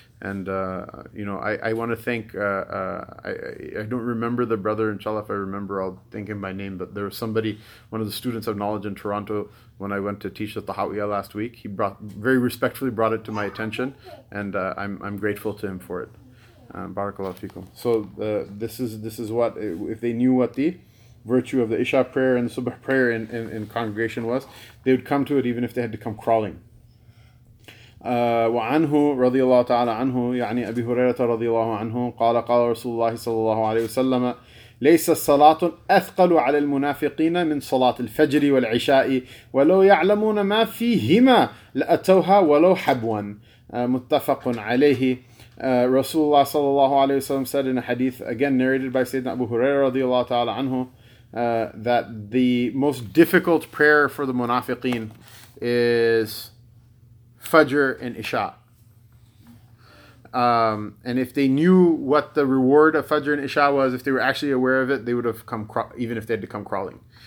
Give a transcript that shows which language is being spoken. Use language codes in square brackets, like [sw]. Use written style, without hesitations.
[en] And, I want to thank, I don't remember the brother, inshallah, if I remember, I'll thank him by name. But there was somebody, one of the students of knowledge in Toronto, when I went to teach at the Hawiya last week, he brought, very respectfully brought it to my attention. And I'm grateful to him for it. Barakallahu fikum. So this is what, if they knew what the virtue of the Isha prayer and the Subh prayer in congregation was, they would come to it even if they had to come crawling. [ar] وعنه رضي الله تعالى عنه يعني أبي هريرة رضي الله عنه قال رسول الله صلى الله عليه وسلم ليس الصلاة أثقل على المنافقين من صلاة الفجر والعشاء ولو يعلمون ما فيهما لأتوها ولو حبوا متفق عليه. [en] Rasulullah sallallahu alayhi wa sallam said in a hadith, again narrated by Sayyidina Abu Huraira radiallahu ta'ala anhu, that the most difficult prayer for the munafiqeen is Fajr and Isha. And if they knew what the reward of Fajr and Isha was, if they were actually aware of it, they would have come, even if they had to come crawling.